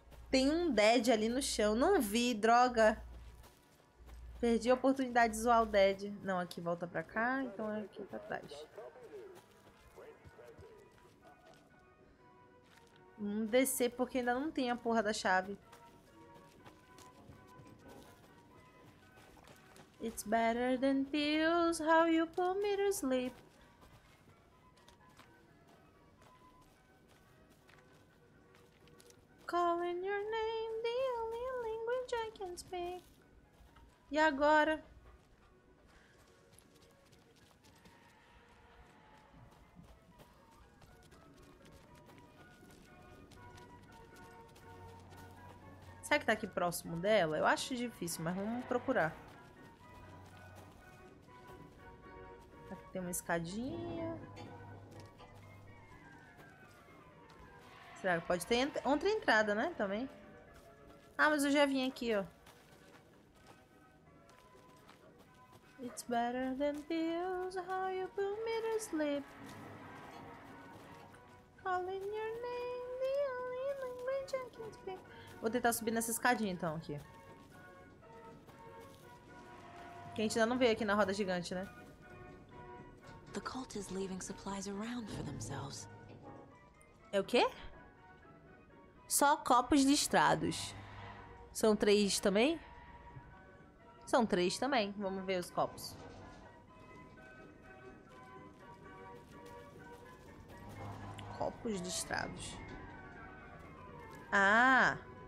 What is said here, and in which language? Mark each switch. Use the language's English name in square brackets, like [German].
[Portuguese] Tem um dead ali no chão. Não vi, droga. Perdi a oportunidade de zoar o dead. Não, aqui volta pra cá. Então é aqui pra trás. Vamos descer porque ainda não tem a porra da chave. [English] It's better than pills, how you put me to sleep. Calling your name, the only language I can speak. [Portuguese] E agora? Será que tá aqui próximo dela? Eu acho difícil, mas vamos procurar. Aqui tem uma escadinha. Será que pode ter outra entrada, né? Também. Ah, mas eu já vim aqui, ó. [English] It's better than pills, how you put me to sleep. Calling your name, the only language I can speak. [Portuguese] Vou tentar subir nessa escadinha, então, aqui. Que a gente ainda não veio aqui na roda gigante, né? [English] The cult is leaving supplies around for themselves. [Portuguese] É o quê? Só copos listrados. São três também? São três também. Vamos ver os copos. Copos listrados. Ah!